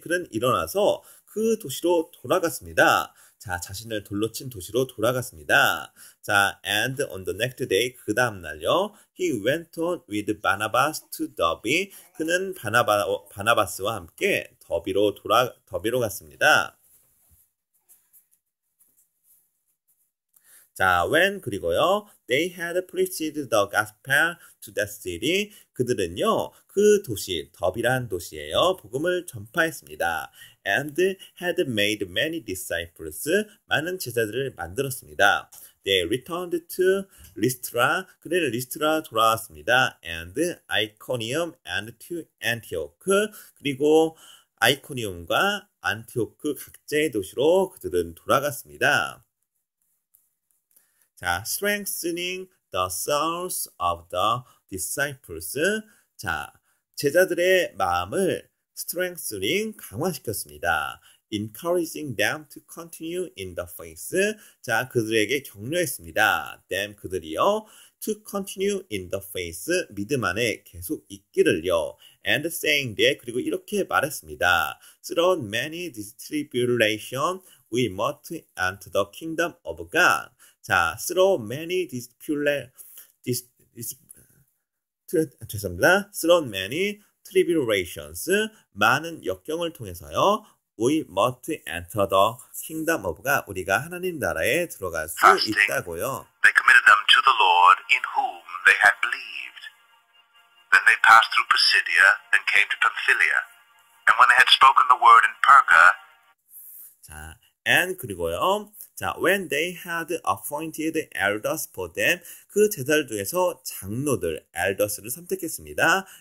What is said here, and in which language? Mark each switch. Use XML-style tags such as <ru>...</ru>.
<ko>그는 일어나서 그 도시로 돌아갔습니다. 자, 자신을 돌로 친 도시로 돌아갔습니다.</ko> <en>자, and on the next day,</en> <ko>그 다음날요,</ko> <en>he went on with Barnabas to Derbe.</en> <ko>그는 바나바스와 함께 더비로 갔습니다.</ko> <en>자, when,</en> <ko>그리고요,</ko> <en>they had preached the gospel to that city.</en> <ko>그들은요, 그 도시, 더비라는 도시에요, 복음을 전파했습니다.</ko> <en>And had made many disciples,</en> <ko>많은 제자들을 만들었습니다.</ko> <en>They returned to Lystra,</en> <ko>그들은 리스트라 돌아왔습니다.</ko> <en>And Iconium and to Antioch,</en> <ko>그리고 아이코니움과 안티오크 각자의 도시로 그들은 돌아갔습니다.</ko> <en>자, strengthening the souls of the disciples.</en> <ko>자, 제자들의 마음을 strengthening 강화시켰습니다.</ko> <en>Encouraging them to continue in the faith.</en> <ko>자, 그들에게 격려했습니다.</ko> <en>Them,</en> <ko>그들이요.</ko> <en>To continue in the faith.</en> <ko>믿음 안에 계속 있기를요.</ko> <en>And saying that,</en> <ko>그리고 이렇게 말했습니다.</ko> <en>Through many tribulations, we must enter the kingdom of God. 자, through many tribulations,</en> <ko>많은 역경을 통해서요,</ko> <en>we must enter the kingdom of God.</en> <ko>우리가 하나님 나라에 들어갈 수 있다고요.</ko> <en>They committed them to the Lord in whom they had believed. Then they passed through Pisidia and came to Pamphylia. And when they had spoken the word in Perga, 자, and 그리고요. 자, when they had appointed elders for them,</en> <ko>그 제자들 중에서 장로들, elders를 선택했습니다.</ko>